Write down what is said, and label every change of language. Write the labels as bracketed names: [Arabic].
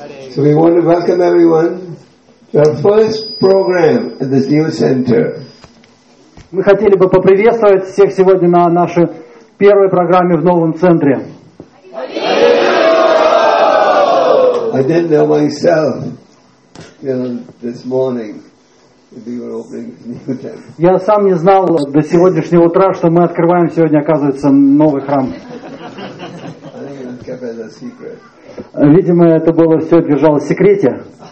[English] So we want to welcome everyone. Our first program at this new center. [Russian] Мы хотели бы поприветствовать всех сегодня на нашей первой программе в новом центре. [English] I didn't know myself, you know, this morning that we were opening this new temple. [Russian] Я сам не знал до сегодняшнего утра, что мы открываем сегодня, оказывается, новый храм. [English] I think it was kept as a secret. [Russian] Видимо, это было все держалось в секрете.